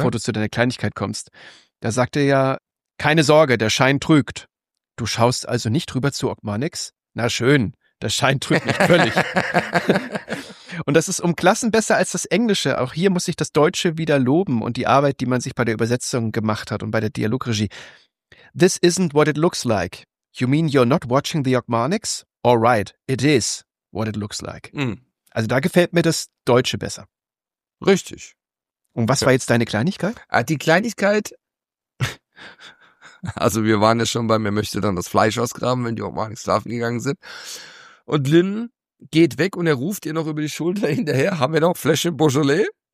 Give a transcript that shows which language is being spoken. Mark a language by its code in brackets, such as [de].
[de] Bevor du zu deiner Kleinigkeit kommst. Da sagt er ja, keine Sorge, der Schein trügt. Du schaust also nicht rüber zu Ogmanix? Na schön, der Schein trügt nicht völlig. Und das ist um Klassen besser als das Englische. Auch hier muss ich das Deutsche wieder loben und die Arbeit, die man sich bei der Übersetzung gemacht hat und bei der Dialogregie. [en] This isn't what it looks like. You mean you're not watching the Ogmanix? All right, it is what it looks like. Mhm. [de] Also da gefällt mir das Deutsche besser. Richtig. Und was war jetzt deine Kleinigkeit? Die Kleinigkeit, also wir waren ja schon bei mir, möchte dann das Fleisch ausgraben, wenn die Ogmanix schlafen gegangen sind. Und Lynn geht weg und er ruft ihr noch über die Schulter hinterher, haben wir noch Flasche Beaujolais?